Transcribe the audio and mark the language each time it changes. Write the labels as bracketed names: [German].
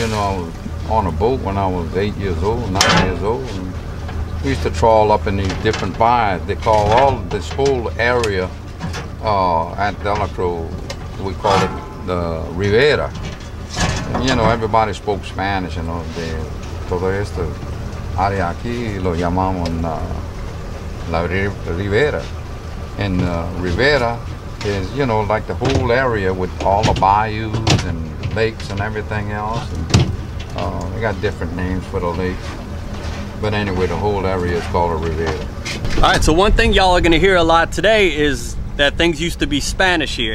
[English] You know, I was on a boat when I was 8 years old, 9 years old. And we used to troll up in these different bars. They call all this whole area at Delacro, we call it the Rivera. You know, everybody spoke Spanish, you know, [Spanish] todo esto área aquí lo llamamos la ribera. [English] And ribera is, you know, like the whole area with all the bayous and lakes and everything else. And, they got different names for the lake. But anyway, the whole area is called a ribera. All right, so one thing y'all are gonna hear a lot today is that things used to be Spanish here.